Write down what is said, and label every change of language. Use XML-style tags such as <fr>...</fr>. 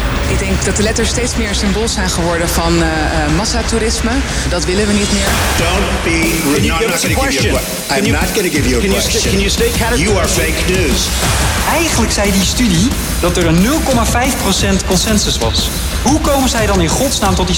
<nl>Ik denk dat de letters steeds meer symbool zijn geworden van massatoerisme. Dat willen we niet meer.</nl> <en>Don't be rude. No, I'm not going to give you a question. You are fake news.</en> <nl>Eigenlijk zei die studie dat er een 0,5% consensus was. Hoe komen zij dan in godsnaam tot die 97%?</nl>